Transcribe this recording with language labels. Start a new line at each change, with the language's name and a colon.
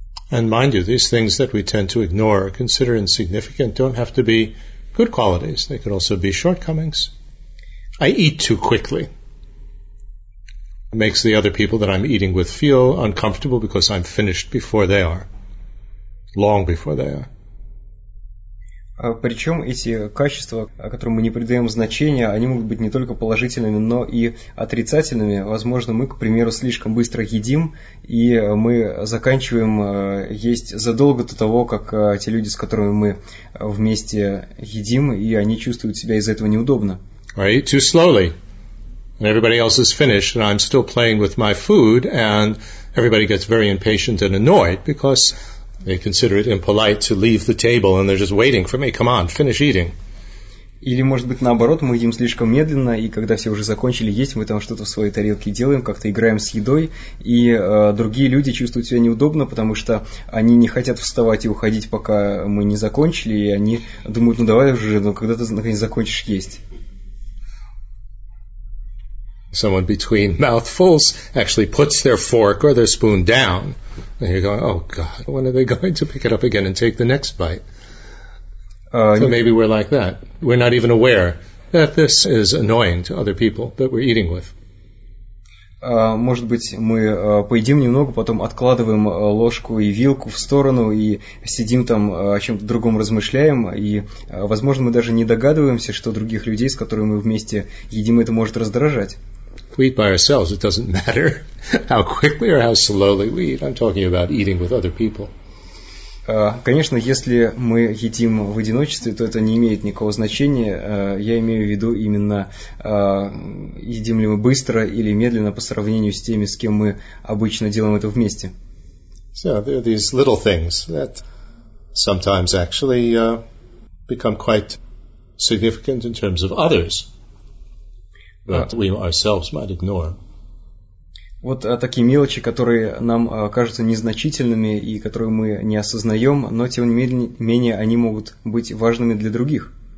English: And mind you, these things that we tend to ignore or consider insignificant don't have to be good qualities. They could also be shortcomings. I eat too quickly. It makes the other people that I'm eating with feel uncomfortable because I'm finished before they are. Long before they are.
Russian: Причем эти качества, которым мы не придаем значения, они могут быть не только положительными, но и отрицательными. Возможно, мы, к примеру, слишком быстро едим, и мы заканчиваем есть задолго до того, как те люди, с которыми мы вместе едим, и они чувствуют себя из-за этого неудобно.
English: I eat too slowly, and everybody else is finished, and I'm still playing with my food, and everybody gets very impatient and annoyed because they consider it impolite to leave the table, and they're just waiting for me. Come on, finish eating.
Russian: Или, может быть, наоборот, мы едим слишком медленно, и когда все уже закончили есть, мы там что-то в своей тарелке делаем, как-то играем с едой, и другие люди чувствуют себя неудобно, потому что они не хотят вставать и уходить, пока мы не закончили, и они думают, ну давай уже, ну когда ты наконец закончишь есть.
English: Someone between mouthfuls actually puts their fork or their spoon down. And you're going, oh God, when are they going to pick it up again and take the next bite? So maybe we're like that. We're not even aware that this is annoying to other people that we're eating with.
Russian: Может быть, мы поедим немного, потом откладываем ложку и вилку в сторону и сидим там о чем-то другом размышляем, и, возможно, мы даже не догадываемся, что других людей, с которыми мы вместе едим, это может раздражать.
English: If we eat by ourselves, it doesn't matter how quickly or how slowly we eat. I'm talking about eating with other people.
Russian: Конечно, если мы едим в одиночестве, то это не имеет никакого значения. Я имею в виду именно, едим ли мы быстро или медленно по сравнению с теми, с кем мы обычно делаем это вместе.
English: So there are these little things that sometimes actually become quite significant in terms of others. That we ourselves might ignore.
Russian: Вот такие мелочи, которые нам кажутся незначительными и которые мы не осознаем, но тем не менее они могут быть важными для других.